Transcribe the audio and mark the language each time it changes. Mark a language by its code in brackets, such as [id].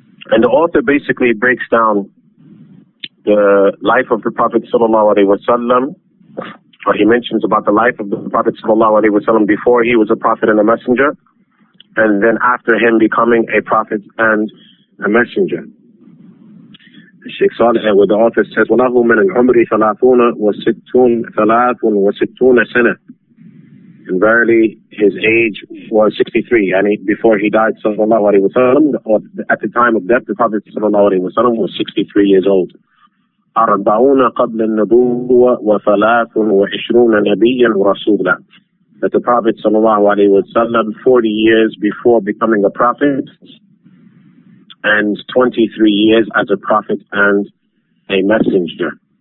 [en] And the author basically breaks down the life of the Prophet sallallahu alayhi wa sallam, or he mentions about the life of the Prophet sallallahu alayhi wa sallam before he was a prophet and a messenger, and then after him becoming a prophet and a messenger. Shaykh Salih, where the author says, [ar] وَلَهُ مِنْ عُمْرِ ثَلَاثُونَ وَسِتُونَ ثَلَاثٌ وَسِتُونَ سَنَةٌ. [en] And verily, his age was 63, and before he died, sallallahu alayhi wa sallam, at the time of death, the Prophet sallallahu alayhi wa sallam was 63 years old. [ar] 40 قبل النبوة و23 نبيا ورسولا. [en] That the Prophet sallallahu alaihi wasallam 40 years before becoming a prophet and 23 years as a prophet and a messenger.